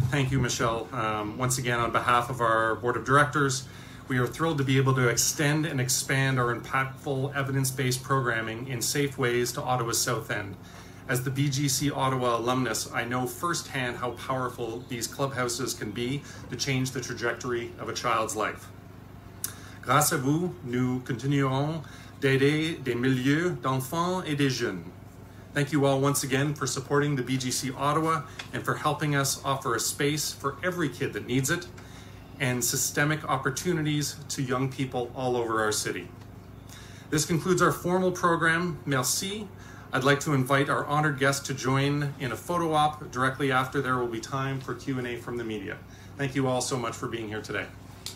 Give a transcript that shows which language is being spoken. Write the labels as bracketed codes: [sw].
[en] Thank you, Michelle. Once again, on behalf of our board of directors, we are thrilled to be able to extend and expand our impactful evidence-based programming in safe ways to Ottawa's South End. As the BGC Ottawa alumnus, I know firsthand how powerful these clubhouses can be to change the trajectory of a child's life. [fr] Grâce à vous, nous continuerons d'aider des milieux d'enfants et des jeunes. [en] Thank you all once again for supporting the BGC Ottawa and for helping us offer a space for every kid that needs it and systemic opportunities to young people all over our city. This concludes our formal program. Merci. I'd like to invite our honored guests to join in a photo op directly after. There will be time for Q&A from the media. Thank you all so much for being here today.